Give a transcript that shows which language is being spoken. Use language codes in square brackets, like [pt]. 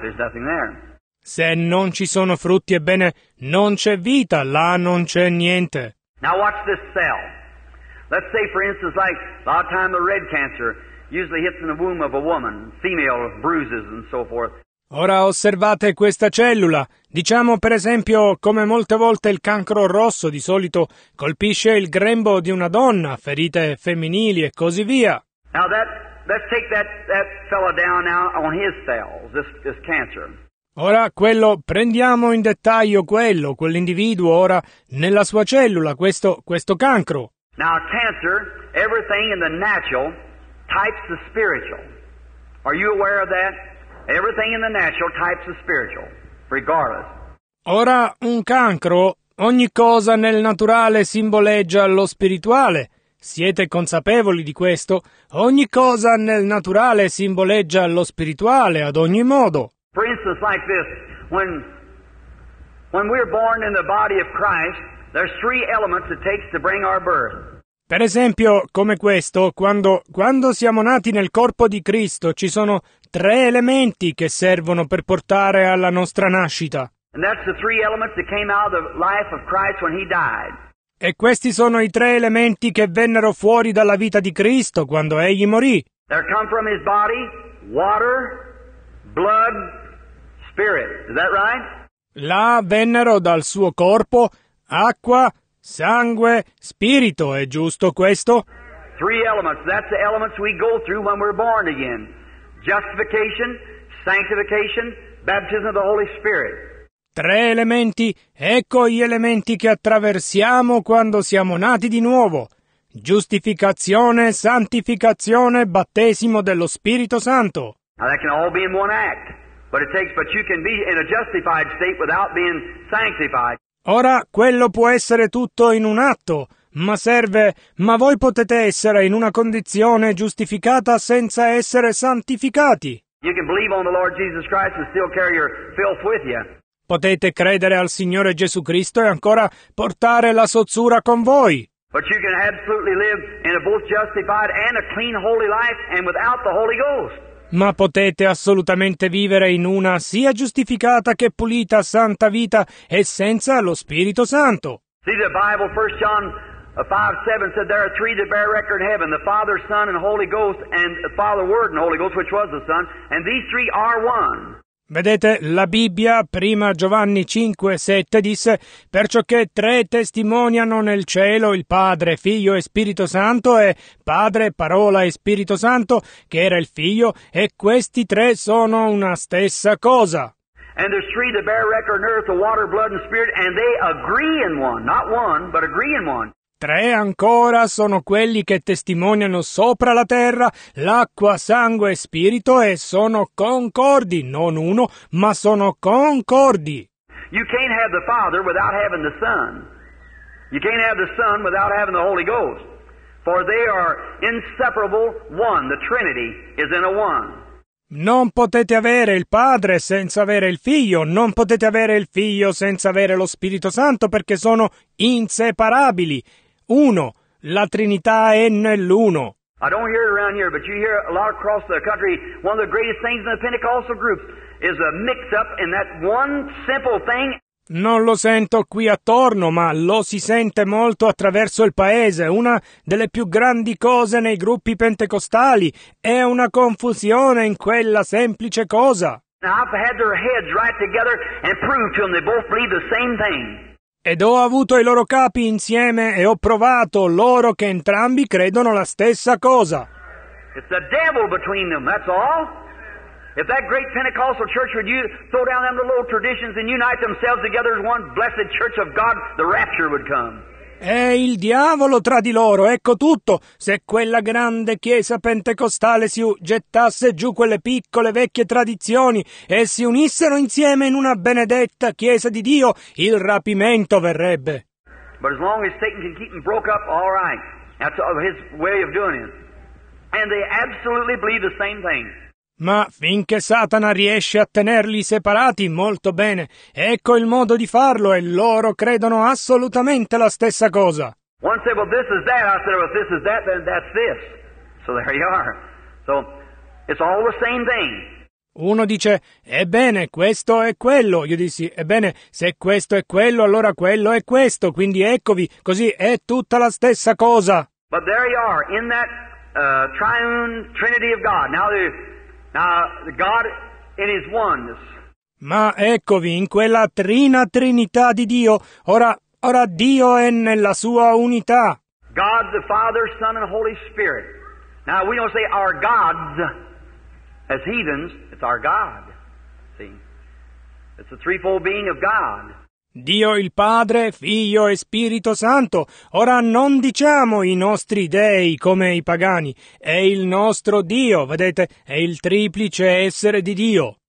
[en] There's nothing there. [it] Se non ci sono frutti, ebbene, non c'è vita, là non c'è niente. [en] Now watch this cell. Let's say, for instance, like a lot of time a red cancer usually hits in the womb of a woman, female bruises and so forth. [it] Ora osservate questa cellula. Diciamo, per esempio, come molte volte il cancro rosso di solito colpisce il grembo di una donna, ferite femminili e così via. [en] Now let's take that fellow down now on his cells, this cancer. [it] Ora quello, prendiamo in dettaglio quell'individuo ora nella sua cellula, questo cancro. [en] Now cancer, everything in the natural types the spiritual. Are you aware of that? Everything in the natural types the spiritual, regardless. [it] Ora un cancro, ogni cosa nel naturale simboleggia lo spirituale. Siete consapevoli di questo? Ogni cosa nel naturale simboleggia lo spirituale ad ogni modo. [en] For instance, like this, when we're born in the body of Christ, there's three elements it takes to bring our birth. [it] Per esempio, come questo, quando siamo nati nel corpo di Cristo, ci sono tre elementi che servono per portare alla nostra nascita. [en] And that's the three elements that came out of the life of Christ when he died. [it] E questi sono i tre elementi che vennero fuori dalla vita di Cristo quando egli morì. [en] They come from his body, water, blood, spirit. Is that right? [it] Là vennero dal suo corpo, acqua, sangue, spirito. È giusto questo? [en] Three elements. That's the elements we go through when we're born again. Justification, sanctification, baptism of the Holy Spirit. [it] Tre elementi. Ecco gli elementi che attraversiamo quando siamo nati di nuovo. giustificazione, santificazione, battesimo dello Spirito Santo. [en] Now that can all be in one act, but you can be in a justified state without being sanctified. [it] Ora quello può essere tutto in un atto, ma serve, ma voi potete essere in una condizione giustificata senza essere santificati. [en] You can believe on the Lord Jesus Christ and still carry your filth with you. [it] Potete credere al Signore Gesù Cristo e ancora portare la sozzura con voi. [en] But you can absolutely live in a both justified and a clean holy life and without the Holy Ghost. [it] Ma potete assolutamente vivere in una sia giustificata che pulita santa vita e senza lo Spirito Santo. [en] See the Bible, 1 John 5:7 said there are three that bear record in heaven, the Father, Son, and Holy Ghost, and the Father, Word, and Holy Ghost, which was the Son, and these three are one. [it] Vedete, la Bibbia, 1 Giovanni 5:7 disse: perciò che tre testimoniano nel cielo, il Padre, Figlio e Spirito Santo, e Padre, Parola e Spirito Santo, che era il Figlio, e questi tre sono una stessa cosa. [en] And there's three that bear record on earth, the water, blood and spirit, and they agree in one, not one, but agree in one. [it] Tre ancora sono quelli che testimoniano sopra la terra, l'acqua, sangue e spirito, e sono concordi, non uno, ma sono concordi. [en] You can't have the Father without having the Son. You can't have the Son without having the Holy Ghost. For they are inseparable one, the Trinity is in a one. [it] Non potete avere il Padre senza avere il Figlio, non potete avere il Figlio senza avere lo Spirito Santo, perché sono inseparabili. Uno, la Trinità è nell'uno. [en] I don't hear it around here, but you hear a lot across the country. One of the greatest things in the Pentecostal group is a mix up in that one simple thing. [it] Non lo sento qui attorno, ma lo si sente molto attraverso il paese. Una delle più grandi cose nei gruppi pentecostali è una confusione in quella semplice cosa. [en] I've had their heads right together and proved to them they both believe the same thing. [it] Ed ho avuto i loro capi insieme e ho provato loro che entrambi credono la stessa cosa. [en] It's the devil between them, that's all. If that great Pentecostal church would you throw down them little traditions and unite themselves together as one blessed church of God, the rapture would come. [it] È il diavolo tra di loro, ecco tutto. Se quella grande chiesa pentecostale si gettasse giù quelle piccole vecchie tradizioni e si unissero insieme in una benedetta chiesa di Dio, il rapimento verrebbe. [en] But as long as Satan can keep them broke up, all right. That's his way of doing it. And they absolutely believe the same thing. [it] Ma finché Satana riesce a tenerli separati, molto bene. Ecco il modo di farlo e loro credono assolutamente la stessa cosa. [en] One said, well, this is that. I said, well, if this is that, then that's this. So there you are. So it's all the same thing. [it] Uno dice, ebbene, questo è quello. Io dissi, ebbene, se questo è quello, allora quello è questo. Quindi eccovi, così è tutta la stessa cosa. [en] But there you are, in that triune trinity of God. Now, God in his oneness. [it] Ma eccovi, in quella trina trinità di Dio, ora Dio è nella sua unità. [en] God the Father, Son, and Holy Spirit. Now, we don't say our gods as heathens, it's our God. See, it's the threefold being of God. [it] Dio il Padre, Figlio e Spirito Santo. Ora non diciamo i nostri dei come i pagani. È il nostro Dio, vedete, è il triplice essere di Dio.